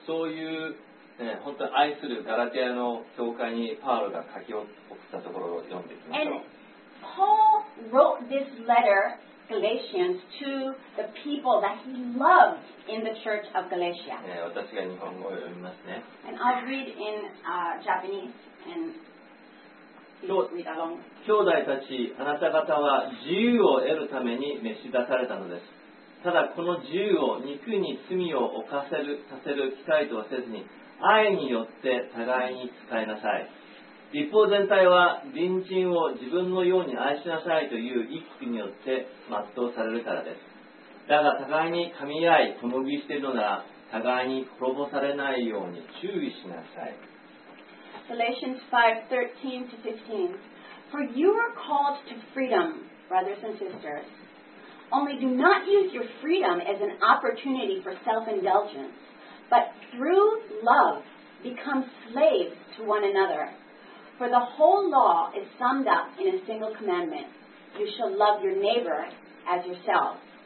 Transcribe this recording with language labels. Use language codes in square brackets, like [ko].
[ja] そういう、ね、本当に愛するガラティアの教会にパウロが書き送ったところを読んでいきましょう。 [en] And Paul wrote this letter, Galatians, to the people that he loved in the church of Galatia. [ja] 私が日本語を読みますね。 [en] And I'll read in Japanese and please read along. [ja] 兄弟たち、あなた方は自由を得るために召し出されたのです。ただこの自由を肉に罪を犯せる、させる機会とはせずに、愛によって互いに使いなさい。立法全体は隣人を自分のように愛しなさいという意識によって全うされるからです。だが互いに噛み合い、共食いしているのなら、互いに滅ぼされないように注意しなさい。 [en] Galatians 5:13-15. For you are called to freedom, brothers and sisters. Only do not use your freedom as an opportunity for self-indulgence, but through love become slaves to one another. For the whole law is summed up in a single commandment: you shall love your neighbor as yourself.